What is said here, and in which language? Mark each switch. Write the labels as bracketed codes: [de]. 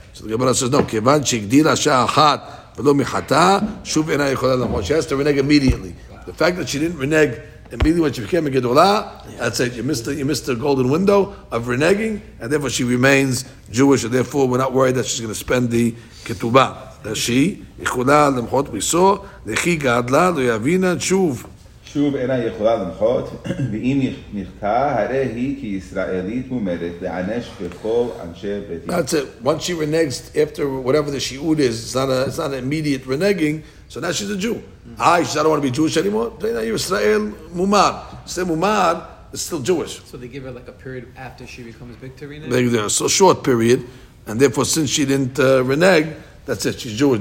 [en] So the Gemara says, no, [he] kevan shigdila sha'achat v'lo michata, shuv ena yechola l'mon. [en] She has to renege immediately. The fact that she didn't renege immediately when she became a gedola, that's it. You missed the golden window of reneging, and therefore she remains Jewish, and therefore we're not worried that she's going to spend the ketubah. That she, [he] yechola l'mon, [en] we saw, [he] lechi gadla lo yavina shuv. שוב אינה יכולה למחות, ואם נחתה, הרי היא כי ישראלית מומדת לענש בכל אנשי בית דין. [en] That's it. Once she reneges, after whatever the shi'ud is, it's not an immediate reneging, so now she's a Jew. She said, I don't want to be Jewish anymore. Then you're Israel mumar. Say mumar is still Jewish. So they give her like a period after she becomes big to renege? So short period, and therefore since she didn't renege, that's it, she's Jewish.